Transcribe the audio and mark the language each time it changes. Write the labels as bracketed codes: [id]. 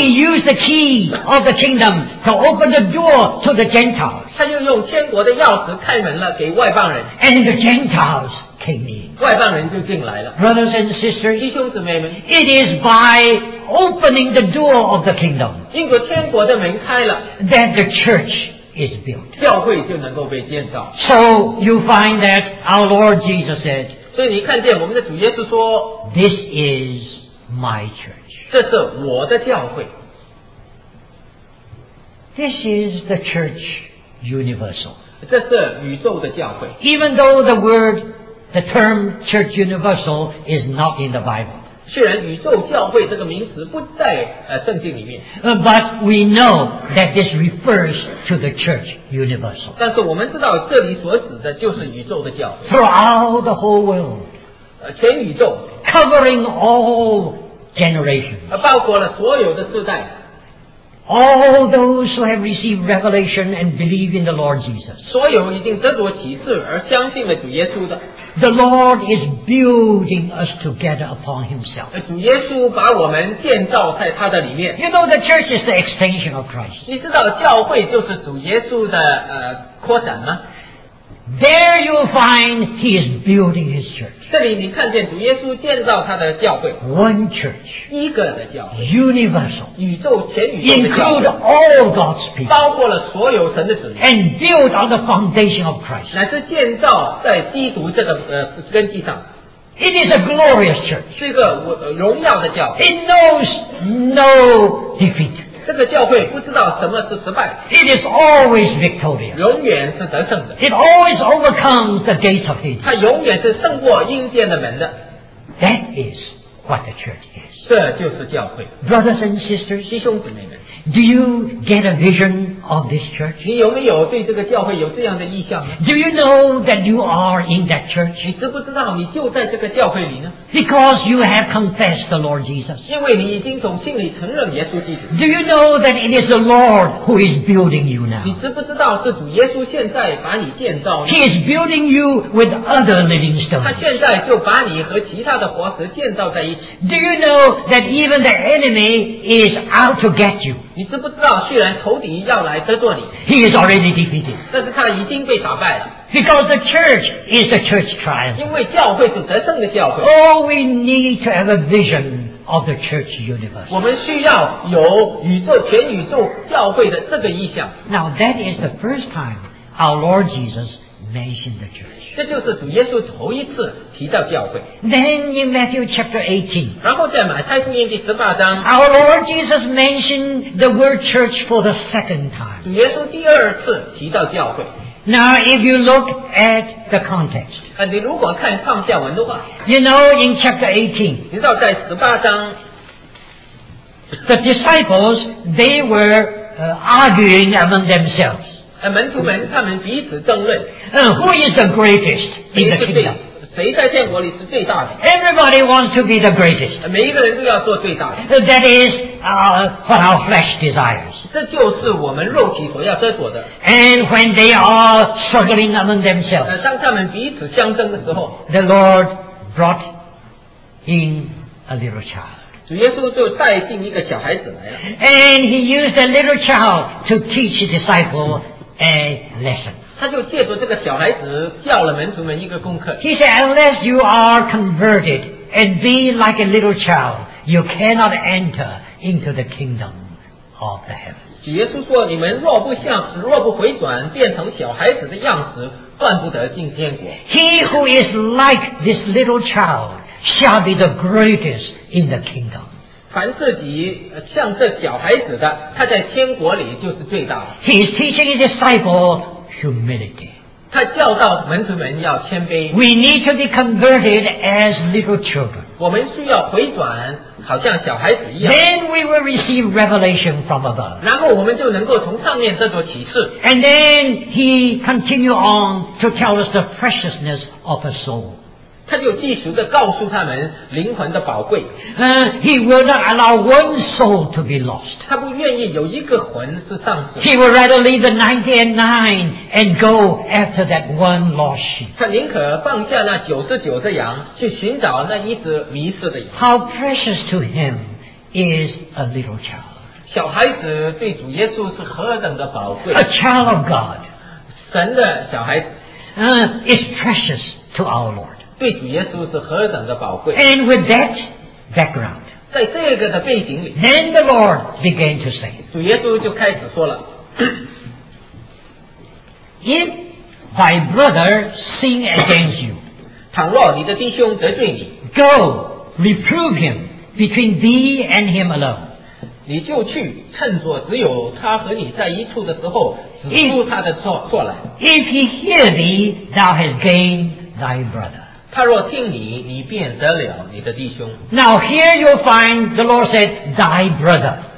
[en] he used the key of the kingdom to open the door to the Gentiles. [zh] 他就用天国的钥匙开门了给外邦人。 [en] And the Gentiles came in. [zh] 外邦人就进来了。 [en] Brothers and sisters, [zh] 弟兄姊妹们， [en] it is by opening the door of the kingdom, [zh] 因为天国的门开了， [en] that the church is built. [zh] 教会就能够被建造。 [en] So you find that our Lord Jesus said, [zh] 所以你看见我们的主耶稣说， [en] this is my church. [zh] 这是我的教会。 [en] This is the churchUniversal. [zh] 这是宇宙的教会。 [en] Even though the word, the term church universal is not in the Bible. [zh] 虽然宇宙教会这个名词不在圣经里面。 [en] But we know that this refers to the church universal. [zh] 但是我们知道这里所指的就是宇宙的教会。 [en] Throughout the whole world. [zh] 全宇宙。 [en] Covering all generations. [zh] 包括了所有的世代。 [en] All those who have received revelation and believe in the Lord Jesus. [zh] 所有已经得着启示而相信了主耶稣的。 [en] The Lord is building us together upon Himself. [zh] 主耶稣把我们建造在他的里面。 [en] You know the church is the extension of Christ. [zh] 你知道教会就是主耶稣的扩展吗？ [en] There you find He is building His church. [zh] 这里你看见主耶稣建造他的教会 [en] One church [zh] 一个的教会 [en] Universal [zh] 宇宙全宇宙的教会 [en] Include all God's people [zh] 包括了所有神的子民 [en] And build on the foundation of Christ [zh] 乃是建造在基督这个根基上 [en] It is a glorious church [zh] 是个荣耀的教会 [en] It knows no defeat [zh] 这个教会不知道什么是失败 [en] It is always victorious [zh] 永远是得胜的 [en] It always overcomes the gates of Hades [zh] 它永远是胜过阴间的门的 [en] That is what the church is [zh] 这就是教会 [en] Brothers and sisters [zh] 弟兄姊妹们 [en] Do you get a vision of this church? [zh] 你有没有对这个教会有这样的意向呢 [en] Do you know that you are in that church? [zh] 你知不知道你就在这个教会里呢 [en] Because you have confessed the Lord Jesus [zh] 因为你已经从心里承认耶稣基督 [en] Do you know that it is the Lord who is building you now? [zh] 你知不知道是主耶稣现在把你建造 [en] He is building you with other living stones [zh] 他现在就把你和其他的活石建造在一起 [en] Do you know that even the enemy is out to get you? [zh] 你知不知道虽然仇敌要来得着你 [en] He is already defeated [zh] 但是他已经被打败了 [en] Because the church is the church triumph [zh] 因为教会是得胜的教会 [en] All we need to have a vision of the church universe. [zh] 我们需要有宇宙全宇宙教会的这个意象。 [en] Now that is the first time our Lord Jesus mentioned the church. [zh] 这就是主耶稣头一次提到教会。 [en] Then in Matthew chapter 18, [zh] 然后在马太福音第十八章 [en] ，our Lord Jesus mentioned the word church for the second time. [zh] 主耶稣第二次提到教会。 [en] Now if you look at the context. [zh] 你如果看上下文的话 [en] You know in chapter 18 [zh] 你知道在十八章 [en] The disciples they were arguing among themselves [zh] 门徒们他们彼此争论 [en] Who is the greatest in the kingdom [zh] 谁在天国里是最大的 [en] Everybody wants to be the greatest [zh] 每一个人都要做最大的 [en] That is what our flesh desires [zh] 这就是我们肉体所要争夺的 [en] And when they are struggling among themselves [zh] 当他们彼此相争的时候 [en] The Lord brought in a little child [zh] 主耶稣就带进一个小孩子来了 [en] And he used a little child to teach the disciple a lesson [zh] 他就借助这个小孩子教了门徒们一个功课 [en] He said unless you are converted and be like a little child you cannot enter into the kingdom of the heavens. [zh] 耶稣说你们若不像若不回转变成小孩子的样子断不得进天国。 [en] He who is like this little child shall be the greatest in the kingdom. [zh] 凡自己像这小孩子的他在天国里就是最大的。 [en] He is teaching his disciple humility. [zh] 他教导门徒们要谦卑。 [en] We need to be converted as little children. [zh] 我们需要回转好像小孩子一样 [en] Then we will receive revelation from above [zh] 然后我们就能够从上面得到启示 [en] And then he continued on to tell us the preciousness of a soul [zh] 他就继续地告诉他们灵魂的宝贵 [en] He will not allow one soul to be lost [zh] 他不愿意有一个魂是丧失 [en] He will rather leave the 99 and go after that one lost sheep [zh] 他宁可放下那99的羊去寻找那一只迷失的羊 [en] How precious to him is a little child [zh] 小孩子对主耶稣是何等的宝贵 [en] A child of God [zh] 神的小孩子 [en] is precious to our Lord [zh] 对主耶稣是何等的宝贵 [en] And with that background [zh] 在这个的背景里 [en] Then the Lord began to say [zh] 主耶稣就开始说了 [en] If thy brother sin against you, [zh] 倘若你的弟兄得罪你 [en] go reprove him between thee and him alone. [zh] 你就去趁着只有他和你在一处的时候指出他的错来。 [en] If he hear thee, thou hast gained thy brother. [zh] 他若听你，你便得了你的弟兄。 [en] Now here you'll find the Lord said thy brother.